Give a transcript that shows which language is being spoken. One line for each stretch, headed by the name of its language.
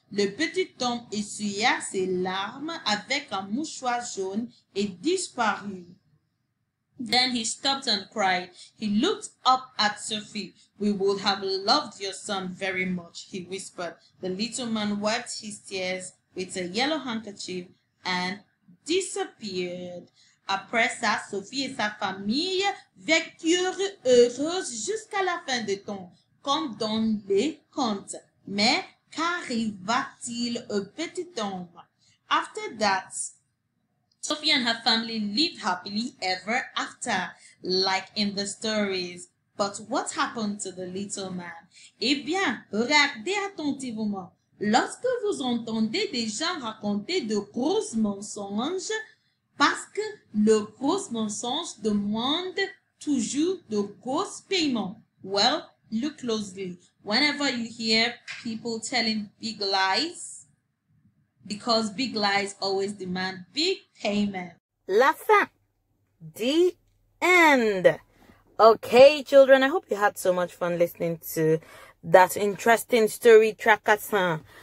French: Le petit homme essuya ses larmes avec un mouchoir jaune et disparut.
English: Then he stopped and cried. He looked up at Sophie. We would have loved your son very much, he whispered. The little man wiped his tears with a yellow handkerchief and disappeared.
French: Après ça, Sophie et sa famille vécurent heureuses jusqu'à la fin des temps, comme dans les contes. Mais qu'arriva-t-il au petit homme?
English: After that, Sophie and her family lived happily ever after, like in the stories. But what happened to the little man?
French: Eh bien, regardez attentivement. Lorsque vous entendez des gens raconter de gros mensonges, parce que le gros mensonge demande toujours de gros paiements.
English: Well, look closely. Whenever you hear people telling big lies, because big lies always demand big payment.
French: La fin.
English: The end. Okay, children, I hope you had so much fun listening to that interesting story, Tracassin.